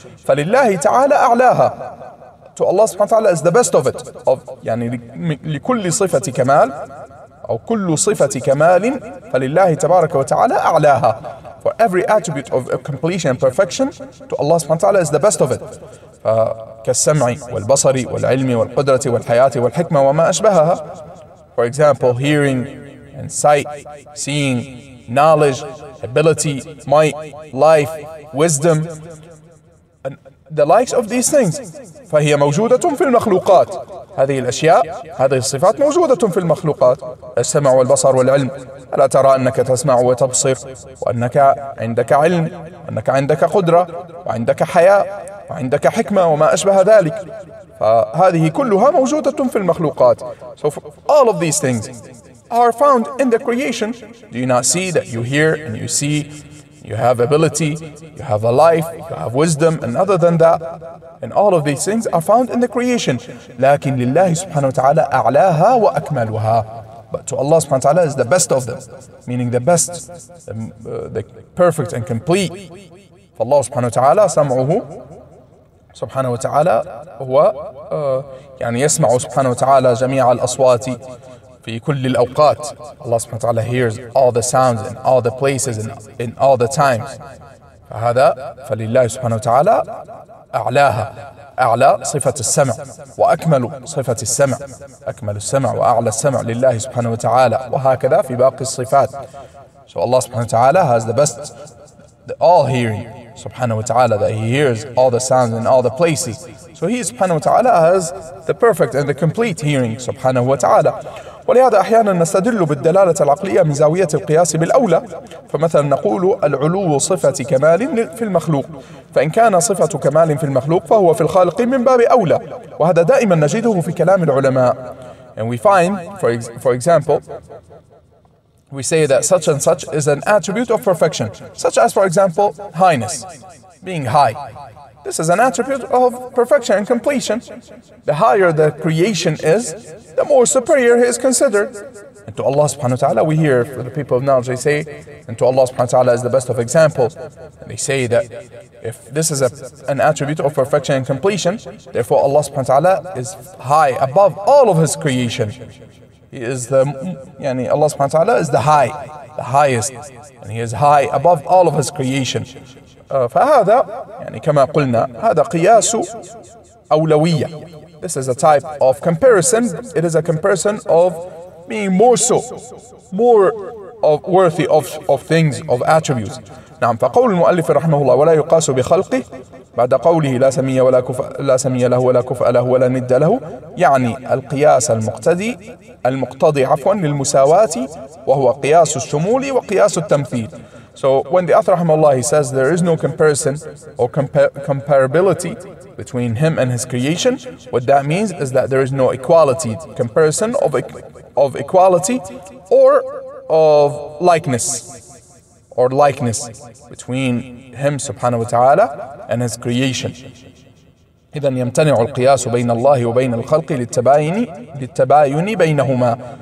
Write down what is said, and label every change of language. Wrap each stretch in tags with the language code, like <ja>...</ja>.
<ar>فلله تعالى أعلاها,</ar> <en>to Allah</en> <ar>سبحانه وتعالى</ar> <en>is the best of it, of</en> <ar>يعني لكل صفة كمال أو كل صفة كمال فلله تبارك وتعالى أعلاها.</ar> <en>For every attribute of completion and perfection, to Allah subhanahu wa ta'ala is the best of it.</en> <ar>كالسمع والبصر والعلم والقدرة والحياة والحكمة وما أشبهها.</ar> <en>For example, hearing and sight, seeing, knowledge, ability, might, life, wisdom, and the likes of these things.</en> <ar>فهي موجودة في المخلوقات. هذه الأشياء, هذه الصفات موجودة في المخلوقات. السمع والبصر والعلم, ألا ترى أنك تسمع وتبصر وأنك عندك علم, أنك عندك قدرة وعندك حياة وعندك حكمة وما أشبه ذلك. فهذه كلها موجودة في المخلوقات.</ar> <en>So all of these things are found in the creation. Do you not see that you hear and you see, you have ability, you have a life, you have wisdom, and other than that, and all of these things are found in the creation.</en> <ar>لكن لله سبحانه وتعالى أعلاها وأكملها.</ar> <en>But to Allah subhanahu wa ta'ala is the best of them, meaning the best, the perfect and complete. For Allah subhanahu wa ta'ala,</en> <ar>سمعه سبحانه وتعالى هو يعني يسمع سبحانه وتعالى جميع الأصوات في كل الأوقات.</ar> <en>Allah subhanahu wa ta'ala hears all the sounds in all the places in all the times.</en> <ar>فهذا فلله سبحانه وتعالى أعلاها, أعلى صفة السمع وأكمل صفة السمع, أكمل السمع وأعلى السمع لله سبحانه وتعالى, وهكذا في باقي الصفات.</ar> <en>So Allah</en> <ar>سبحانه وتعالى</ar> <en>has the best, the all hearing subhanahu wa ta'ala, that he hears all the sounds in all the places. So he subhanahu wa ta'ala has the perfect and the complete hearing subhanahu wa ta'ala.</en> <ar>ولهذا احيانا نستدل بالدلاله العقليه من زاويه القياس بالاولى، فمثلا نقول العلو صفه كمال في المخلوق، فان كان صفه كمال في المخلوق فهو في الخالق من باب اولى، وهذا دائما نجده في كلام العلماء.</ar> <en>And we find for example we say that such and such is an attribute of perfection, such as for example highness, being high. This is an attribute of perfection and completion. The higher the creation is, the more superior he is considered. And to Allah subhanahu wa ta'ala, we hear from the people of knowledge, they say, and to Allah subhanahu wa ta'ala is the best of example. And they say that if this is an attribute of perfection and completion, therefore Allah subhanahu wa ta'ala is high above all of his creation. He is the, yani Allah subhanahu wa ta'ala is the high, the highest. And he is high above all of his creation.</en> <ar>فهذا يعني كما قلنا هذا قياس أولوية.</ar> <en>This is a type of comparison. It is a comparison of being more so, more of worthy of things, of attributes.</en> <ar>نعم. فقول المؤلف رحمه الله ولا يقاس بخلقه بعد قوله لا سمي ولا كفء لا سمي له ولا كفء له ولا ند له، يعني القياس المقتضي عفوا للمساواة، وهو قياس الشمول وقياس التمثيل.</ar> <en>So when the author Rahimahullah, he says there is no comparison or comparability between him and his creation, what that means is that there is no equality, comparison of equality or of likeness, or likeness between him subhanahu wa ta'ala and his creation.</en> <ar>إذن يمتنع القياس بين الله وبين الخلق للتباين بينهما.</ar>